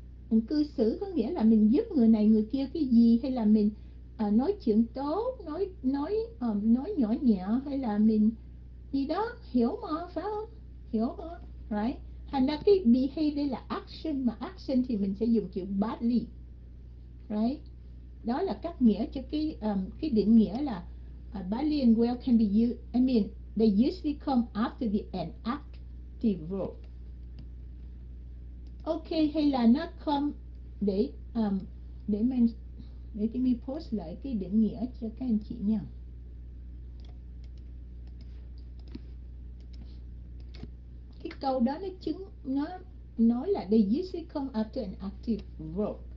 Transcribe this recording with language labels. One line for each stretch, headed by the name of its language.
Vietnamese: Mình cư xử có nghĩa là mình giúp người này người kia cái gì, hay là mình nói chuyện tốt, nói nhỏ nhẹ, hay là mình gì đó, hiểu mà phải không? Hiểu mà, right? Thành ra cái behave đây là action, mà action thì mình sẽ dùng chữ badly, right? Đó là cách nghĩa cho cái định nghĩa là
English: badly and well can be used. I mean, they usually come after the an active verb.
Vietnamese: Ok, hay là nó come để mình post lại cái định nghĩa cho các anh chị nha. Cái câu đó nó nói là
English: they usually come after an active verb.